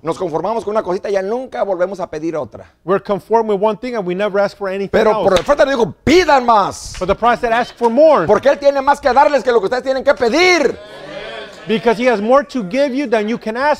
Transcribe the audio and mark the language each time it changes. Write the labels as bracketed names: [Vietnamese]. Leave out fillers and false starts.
[Spanish] Nos conformamos con una cosita y ya nunca volvemos a pedir otra. [English] We're conformed with one thing and we never ask for anything [Spanish] pero [English] else. [Spanish] Pero por el frente le digo, pidan más. [English] But the prophet said, ask for more. [Spanish] Porque él tiene más que darles que lo que ustedes tienen que pedir. [English] Because he has more to give you than you can ask